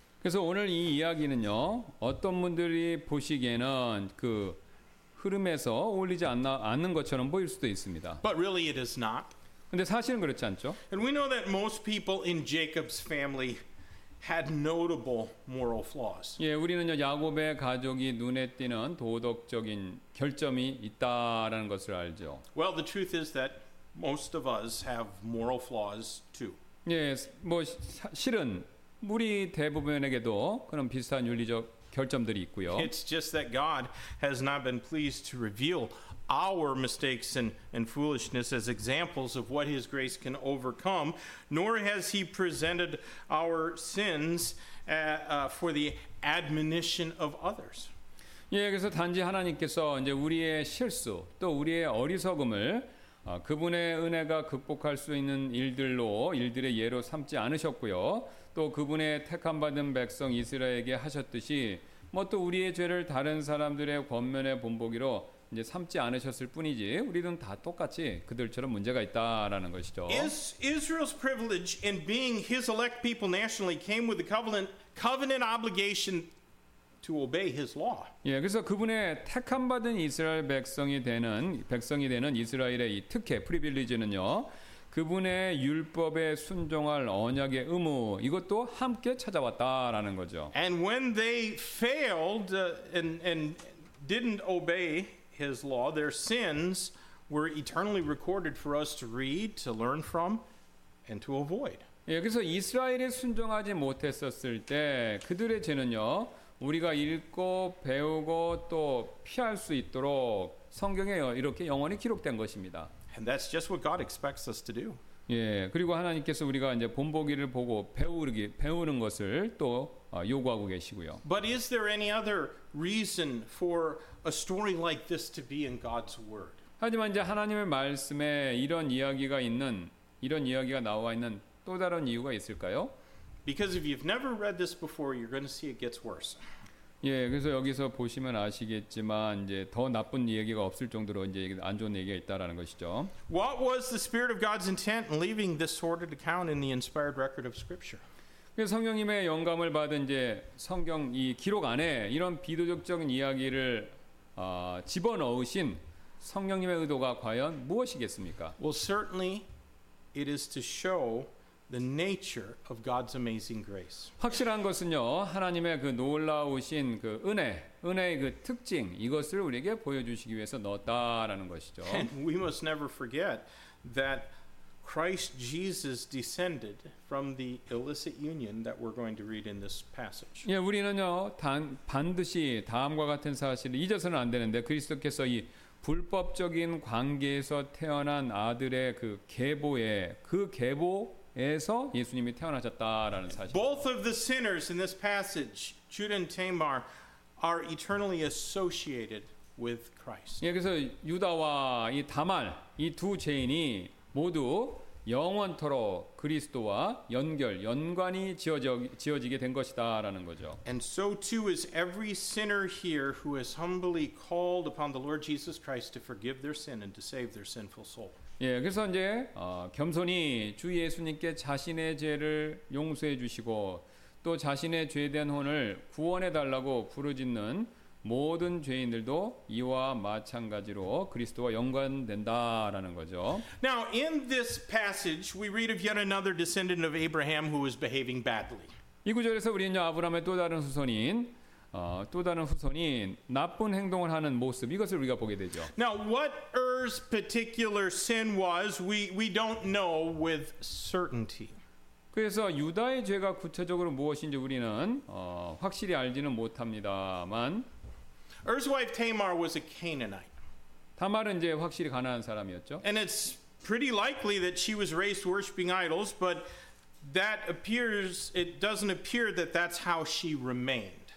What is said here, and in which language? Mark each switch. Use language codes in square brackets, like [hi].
[ko] 그래서 오늘 이 이야기는요, 어떤 분들이 보시기에는 그 흐름에서 어울리지 않는 것처럼 보일 수도 있습니다. [en] But really it is not. [ko] 근데 사실은 그렇지 않죠. [en] And we know that most people in Jacob's family had notable moral flaws. [ko] 예, 우리는요 야곱의 가족이 눈에 띄는 도덕적인 결점이 있다라는 것을 알죠. [en] Well, the truth is that most of us have moral flaws too. [ko] 예, 뭐 실은 우리 대부분에게도 그런 비슷한 윤리적 결점들이 있고요. [en] It's just that God has not been pleased to reveal our mistakes and foolishness as examples of what His grace can overcome, nor has He presented our sins for the admonition of others. [ko] 예, 그래서 단지 하나님께서 이제 우리의 실수 또 우리의 어리석음을 그분의 은혜가 극복할 수 있는 일들로 일들의 예로 삼지 않으셨고요. 또 그분의 택함 받은 백성 이스라엘에게 하셨듯이 뭐 또 우리의 죄를 다른 사람들의 권면에 본보기로 이제 삼지 않으셨을 뿐이지 우리는 다 똑같이 그들처럼 문제가 있다라는 것이죠. [en] Israel's privilege in being His elect people nationally came with the covenant obligation to obey His law. [ko] 예, 그래서 그분의 택함 받은 이스라엘 백성이 되는 이스라엘의 이 특혜 프리빌리지는요. 그분의 율법에 순종할 언약의 의무 이것도 함께 찾아왔다라는 거죠. [en] And when they failed and didn't obey His law, their sins were eternally recorded for us to read, to learn from, and to avoid. [ko] 예, 그래서 이스라엘이 순종하지 못했었을 때 그들의 죄는요 우리가 읽고 배우고 또 피할 수 있도록 성경에 이렇게 영원히 기록된 것입니다. [en] And that's just what God expects us to do. [ko] 예, 그리고 하나님께서 우리가 이제 본보기를 보고 배우는 것을 또 요구하고 계시고요. [en] But is there any other reason for a story like this to be in God's word? [ko] 하지만 이제 하나님의 말씀에 이런 이야기가 나와 있는 또 다른 이유가 있을까요? [en] Because if you've never read this before, you're going to see it gets worse. [ko] 예, 그래서 여기서 보시면 아시겠지만 이제 더 나쁜 얘기가 없을 정도로 이제 안 좋은 얘기가 있다라는 것이죠. [en] What was the spirit of God's intent in leaving this sordid account in the inspired record of scripture? [ko] 그 성령님의 영감을 받은 이제 성경 이 기록 안에 이런 비도덕적인 이야기를 집어넣으신 성령님의 의도가 과연 무엇이겠습니까? [en] Well, certainly it is to show the nature of God's amazing grace. [ko] 확실한 것은요, 하나님의 그 놀라우신 그 은혜의 그 특징 이것을 우리에게 보여주시기 위해서 넣었다라는 것이죠. [en] And we must never forget that Christ Jesus descended from the illicit union that we're going to read in this passage. [ko] 예, 우리는요, 반드시 다음과 같은 사실을 잊어서는 안 되는데 그리스도께서 이 불법적인 관계에서 태어난 아들의 그 계보 에서 예수님이 태어나셨다라는 사실. [en] Both of the sinners in this passage, Judah and Tamar, are eternally associated with Christ. [ko] 예, 그래서 유다와 이 다말 이 두 죄인이 모두 영원토록 그리스도와 연관이 지어지게 된 것이다라는 거죠. [en] And so too is every sinner here who has humbly called upon the Lord Jesus Christ to forgive their sin and to save their sinful soul. [ko] 예, 그래서 이제 겸손히 주 예수님께 자신의 죄를 용서해 주시고 또 자신의 죄된 혼을 구원해 달라고 부르짖는 모든 죄인들도 이와 마찬가지로 그리스도와 연관된다라는 거죠. [en] Now in this passage we read of yet another descendant of Abraham who was behaving badly. [ko] 이 구절에서 우리는요 아브라함의 또 다른 후손이 나쁜 행동을 하는 모습 이것을 우리가 보게 되죠. [en] Now what Ur's particular sin was, we don't know with certainty. [ko] 그래서 유다의 죄가 구체적으로 무엇인지 우리는 확실히 알지는 못합니다만 [en] Ur's wife Tamar was a Canaanite. [ko] 다말은 이제 확실히 가나안 사람이었죠. [en] And it's pretty likely that she was raised worshiping idols, but that appears it doesn't appear that that's how she remained.